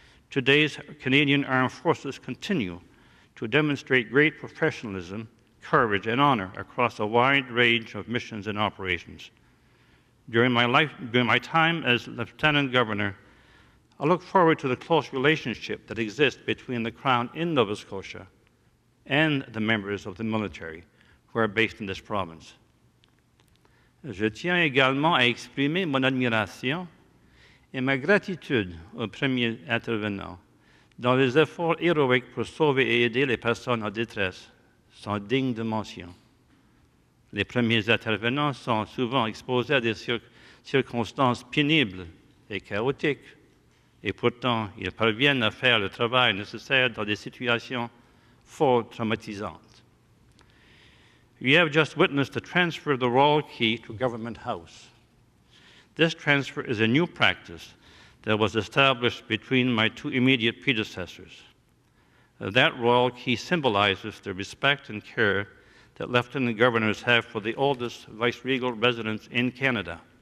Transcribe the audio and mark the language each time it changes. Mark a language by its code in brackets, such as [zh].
[en] Today's Canadian Armed Forces continue to demonstrate great professionalism, courage, and honor across a wide range of missions and operations. During my time as Lieutenant Governor, I look forward to the close relationship that exists between the Crown in Nova Scotia and the members of the military who are based in this province. [fr] Je tiens également à exprimer mon admiration et ma gratitude aux premiers intervenants dont les efforts héroïques pour sauver et aider les personnes en détresse sont dignes de mention. Les premiers intervenants sont souvent exposés à des circonstances pénibles et chaotiques, et pourtant ils parviennent à faire le travail nécessaire dans des situations fort traumatisantes. [en] You have just witnessed the transfer of the royal key to Government House. This transfer is a new practice that was established between my two immediate predecessors. That royal key symbolizes the respect and care that Lieutenant Governors have for the oldest viceregal residence in Canada.